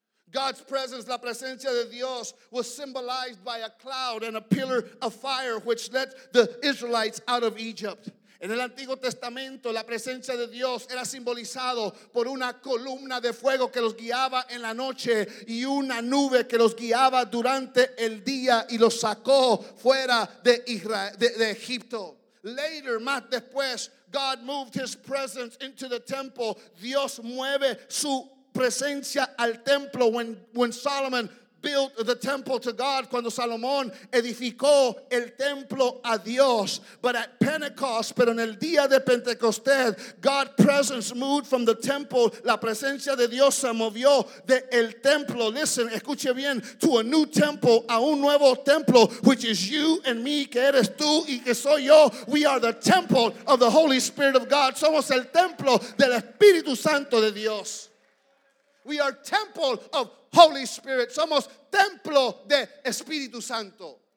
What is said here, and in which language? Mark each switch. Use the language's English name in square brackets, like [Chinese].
[English] God's presence, [Spanish] la presencia de Dios, [English] was symbolized by a cloud and a pillar of fire which led the Israelites out of Egypt. [Spanish] En el Antiguo Testamento, la presencia de Dios era simbolizado por una columna de fuego que los guiaba en la noche y una nube que los guiaba durante el día y los sacó fuera de Israel, de Egipto. [English] Later, [Spanish] más después, [English] God moved his presence into the temple. [Spanish] Dios mueve su presencia al templo [English] when Solomon built the temple to God, [Spanish] cuando Salomón edificó el templo a Dios. [English] But at Pentecost, [Spanish] pero en el día de Pentecostés, [English] God's presence moved from the temple, [Spanish] la presencia de Dios se movió de el templo, [English] listen, [Spanish] escuche bien, [English] to a new temple, [Spanish] a un nuevo templo, [English] which is you and me, [Spanish] que eres tú y que soy yo. [English] We are the temple of the Holy Spirit of God. [Spanish] Somos el templo del Espíritu Santo de Dios. [English] We are temple of Holy Spirit. [Spanish] Somos templo de Espíritu Santo.